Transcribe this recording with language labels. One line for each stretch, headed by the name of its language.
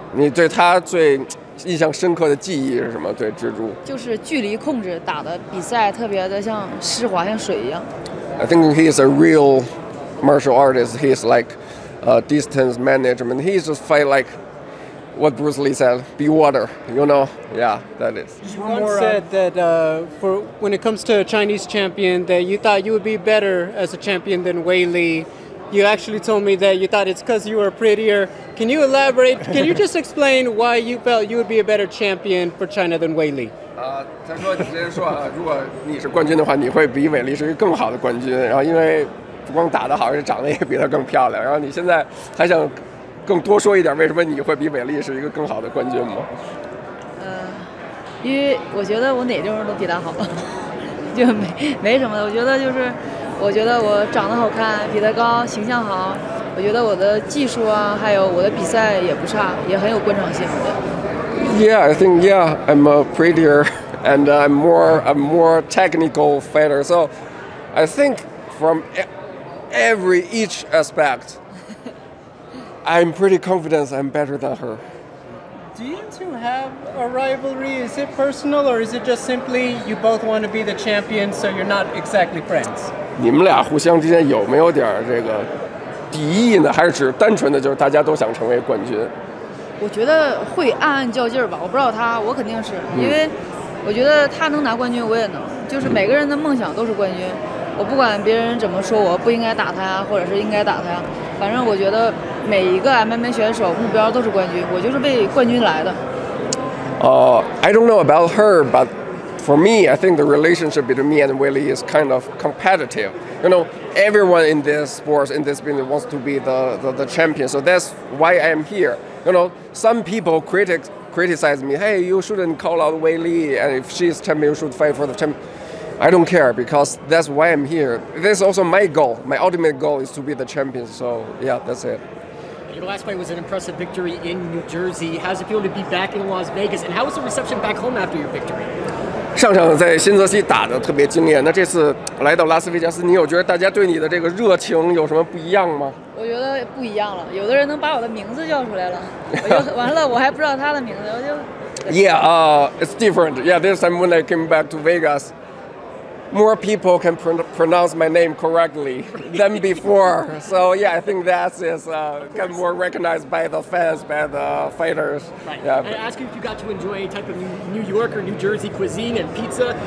Chinese: 你对他最印象深刻的记忆是什么？对蜘蛛，就是距离控制，打的比赛特别的像湿滑，像水一样。
English: I think he is a real martial artist. He is like distance management. He just fight like what Bruce Lee said, be water. You know, yeah, that is. You once said that for when it comes to a Chinese champion, that you thought you would be better as a champion than Weili. You actually told me that you thought it's because you were prettier. Can you elaborate? Can you just explain why you felt you would be a better champion for China than Weili?
Chinese: 他说你直接说啊，如果你是冠军的话，你会比韦利是一个更好的冠军。然后因为不光打得好，而且长得也比他更漂亮。然后你现在还想更多说一点，为什么你会比韦利是一个更好的冠军吗？因为我觉得我哪地方都比他好，就没什么的。我觉得我长得好看，比他高，形象好。我觉得我的技术啊，还有我的比赛也不差，也很有观赏性。
English: Yeah, I think I'm a prettier and I'm more technical fighter. So I think from each aspect, I'm pretty confident I'm better than her. Do you two have a rivalry? Is it personal or is it just simply you both want to be the champion, so you're not exactly friends?
Chinese: 你们俩互相之间有没有点这个敌意呢？还是只单纯的就是大家都想成为冠军？我觉得会暗暗较劲吧。我不知道他，我肯定是因为我觉得他能拿冠军，我也能。就是每个人的梦想都是冠军。我不管别人怎么说，我不应该打他呀，或者是应该打他呀。反正我觉得每一个 MMA 选手目标都是冠军，我就是为冠军来的。
English: I don't know about her, but for me, I think the relationship between me and Weili is kind of competitive. You know, everyone in this sport, in this business, wants to be the champion. So that's why I'm here. you know, some people, critics, criticize me, hey, you shouldn't call out Weili, and if she's champion, you should fight for the champion. I don't care, because that's why I'm here. That's also my goal. My ultimate goal is to be the champion, so yeah, that's it. Your last fight was an impressive victory in New Jersey. How's it feel to be back in Las Vegas, and how was the reception back home after your victory?
Chinese: 上场在新泽西打得特别惊艳，那这次来到拉斯维加斯，你有觉得大家对你的这个热情有什么不一样吗？我觉得不一样了，有的人能把我的名字叫出来了，我就完了，我还不知道他的名字，我就。Yeah,
English: it's different. Yeah, this time when I came back to Vegas, more people can pronounce my name correctly than before. So yeah, I think that is get more recognized by the fans, by the fighters. Right. Yeah. I ask you if you got to enjoy any type of New York or New Jersey cuisine and pizza.